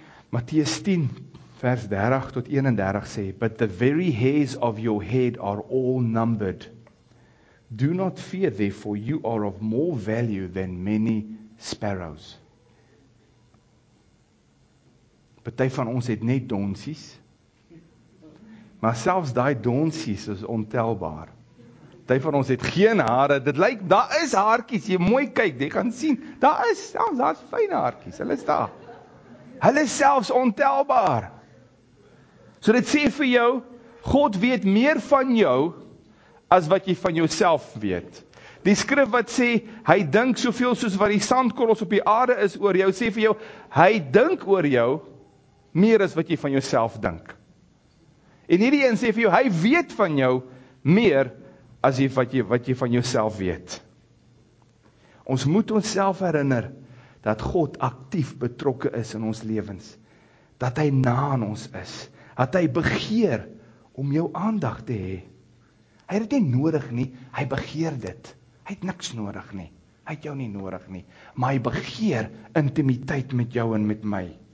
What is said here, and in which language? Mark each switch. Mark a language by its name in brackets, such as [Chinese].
[Afrikaans] Matteus 10 vers 30 tot 31 sê, [English] but the very hairs of your head are all numbered. Do not fear, therefore, you are of more value than many sparrows. [Afrikaans] Party van ons het net donsies, maar selfs daai donsies is ontelbaar. Party van ons het geen hare, dit lyk, daar is haartjies, jy mooi kyk, jy gaan sien, daar is, selfs daar is fyn haartjies, hulle is daar. Hulle is selfs ontelbaar. So dit sê vir jou, God weet meer van jou, as wat jy van jouself weet. Die skrif wat sê, hy dink soveel soos wat die sandkorrels op die aarde is oor jou, sê vir jou, hy dink oor jou, meer as wat jy van jouself dink. En hierdie een sê vir jou, hy weet van jou, meer as wat jy van jouself weet. Ons moet onsself herinner, dat God aktief betrokke is in ons lewens, dat hy na aan ons is, dat hy begeer om jou aandag te hê. Hy het nie nodig nie, hy begeer dit. Hy het niks nodig nie, hy het jou nie nodig nie. Maar hy begeer intimiteit met jou en met my.